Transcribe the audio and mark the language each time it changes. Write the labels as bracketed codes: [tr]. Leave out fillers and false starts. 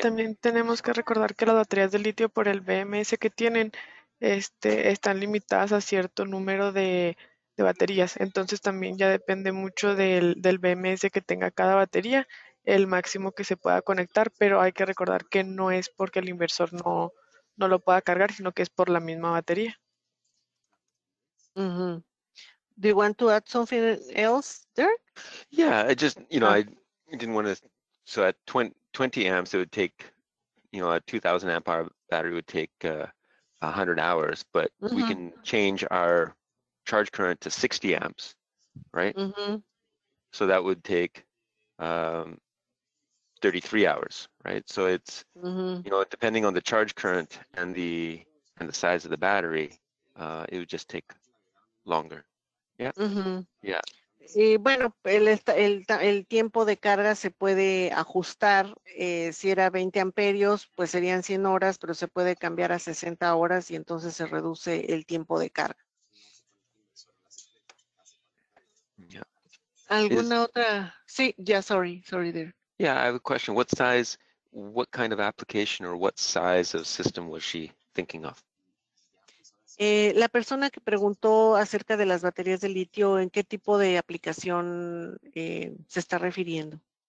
[es] También tenemos que recordar que las baterías de litio por el BMS que tienen están limitadas a cierto número de baterías. Entonces también ya depende mucho del BMS que tenga cada batería, el máximo que se pueda conectar, pero hay que recordar que no es porque el inversor no lo pueda cargar, sino que es por la misma batería. Mm-hmm. [en] Do you want to add something else, Dirk? Yeah, I just, you know, I didn't want to, so at 20, 20 amps, it would take, you know, a 2000 amp hour battery would take 100 hours, but mm-hmm. we can change our charge current to 60 amps, right? Mm-hmm. So that would take 33 hours, right? So it's, mm-hmm. you know, depending on the charge current and the size of the battery, it would just take longer. Yeah. Mm-hmm. Yeah. [es] Y bueno, el tiempo de carga se puede ajustar, si era 20 amperios, pues serían 100 horas, pero se puede cambiar a 60 horas y entonces se reduce el tiempo de carga. Yeah. ¿Alguna otra? Sí, ya, [en] yeah, sorry there. Yeah, I have a question. What size, what kind of application or what size of system was she thinking of? [es] La persona que preguntó acerca de las baterías de litio, ¿en qué tipo de aplicación se está refiriendo?